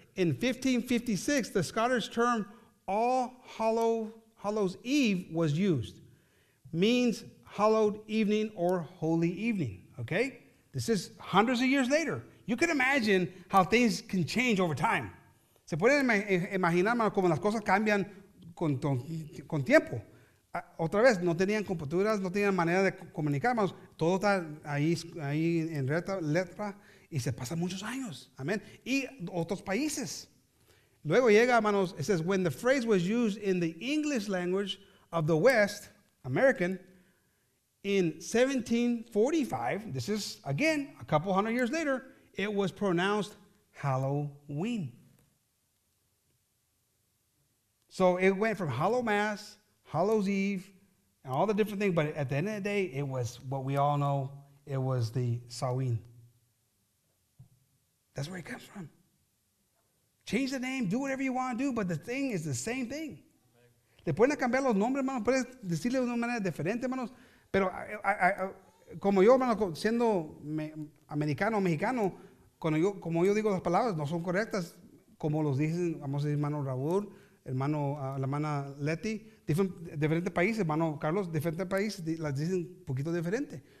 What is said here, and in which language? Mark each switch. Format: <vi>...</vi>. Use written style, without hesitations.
<en>In 1556, the Scottish term All Hallows Eve was used. Means hallowed evening or holy evening. Okay? This is hundreds of years later. You can imagine how things can change over time.</en> <es>Se pueden imaginar como las cosas cambian con tiempo. Otra vez, no tenían computadoras, no tenían manera de comunicar. Todo está ahí en letra. Y se pasan muchos años. Amen. Y otros países. Luego llega, hermanos,</es> <en>it says, when the phrase was used in the English language of the West, American, in 1745, this is, again, a couple hundred years later, it was pronounced Halloween. So it went from Hallow Mass, Hallow's Eve, and all the different things, but at the end of the day, it was what we all know, it was the Samhain. That's where it comes from. Change the name, do whatever you want to do, but the thing is the same thing.</en> <es>Le pueden cambiar los nombres, hermanos. Puedes decirle de una manera diferente, hermanos. Pero como yo, hermano, siendo americano, mexicano, como yo digo las palabras, no son correctas. Como los dicen, vamos a decir, hermano Raúl, hermano, la hermana Leti, diferentes países, hermano Carlos, diferentes países, las dicen un poquito diferente.</es>